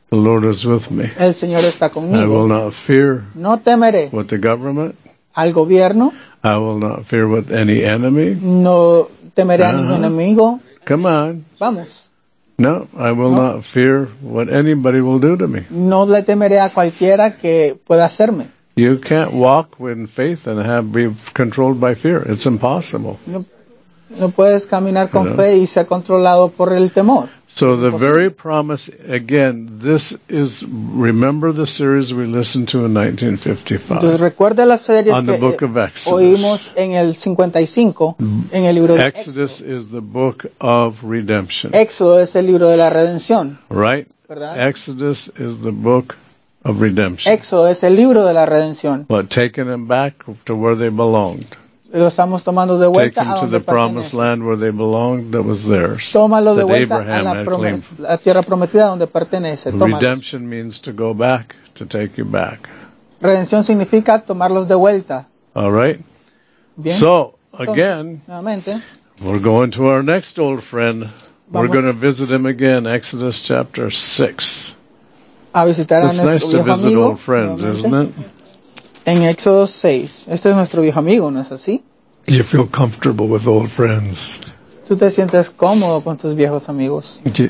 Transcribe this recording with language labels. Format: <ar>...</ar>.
<en>The Lord is with me.</en> <es>El Señor está conmigo.</es> <en>I will not fear.</en> <es>No temeré.</es> <en>What the government.</en> <es>Al gobierno.</es> <en>I will not fear with any enemy.</en> <es>No temeré a ningún enemigo.</es> <en>Come on.</en> <es>Vamos.</es> <en>No, I will not fear what anybody will do to me.</en> <es>No le temeré a cualquiera que pueda hacerme.</es> <en>You can't walk in faith and have be controlled by fear. It's impossible.</en> <es>No puedes caminar con fe y ser controlado por el temor.</es> <en>So the very promise, again, this is, remember the series we listened to in 1955 on the book of Exodus.</en> <es>En el 55, en el libro de</es> <en>Exodus is the book of redemption.</en> <es>Éxodo es el libro de la redención.</es> <en>Right?</en> <es>¿Verdad?</es> <en>Exodus is the book of redemption.</en> <es>Éxodo es el libro de la redención.</es> <en>But taking them back to where they belonged.</en> <es>Lo estamos tomando de vuelta a donde pertenece. Tómalo de vuelta a la tierra prometida donde pertenece.</es> <en>Redemption means to go back, to take you back.</en> <es>Redención significa tomarlos de vuelta.</es> <en>All right.</en> <es>Bien.</es> <en>So, again,</en> <es>nuevamente,</es> <en>we're going to our next old friend. We're going to visit him again, Exodus chapter 6.</en> <es>A visitar a nuestro viejo amigo.</es> <en>It's nice to visit old friends,</en> <es>nuevamente.</es> <en>Isn't it?</en> <es>En Éxodo 6. Este es nuestro viejo amigo, ¿no es así?</es> <en>You feel comfortable with old friends.</en> <es>Tú te sientes cómodo con tus viejos amigos.</es>